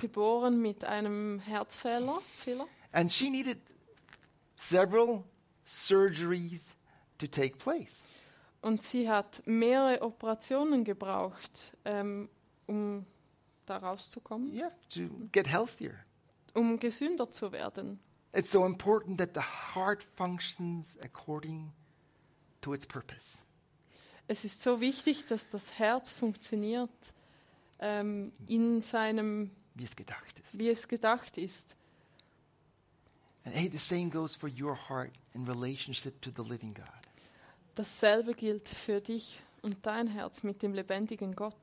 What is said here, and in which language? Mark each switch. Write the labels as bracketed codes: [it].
[de] Geboren mit einem Herzfehler. Fehler. [en] And she needed several surgeries to take place. [de] Und sie hat mehrere Operationen gebraucht, da rauszukommen. [en] Yeah, to get healthier. [de] Um gesünder zu werden. [en] It's so important that the heart functions according to its purpose. [de] Es ist so wichtig, dass das Herz funktioniert in seinem, wie es gedacht ist. Wie es gedacht ist. [en] And hey, the same goes for your heart in relationship to the living God. [de] Dasselbe gilt für dich und dein Herz mit dem lebendigen Gott.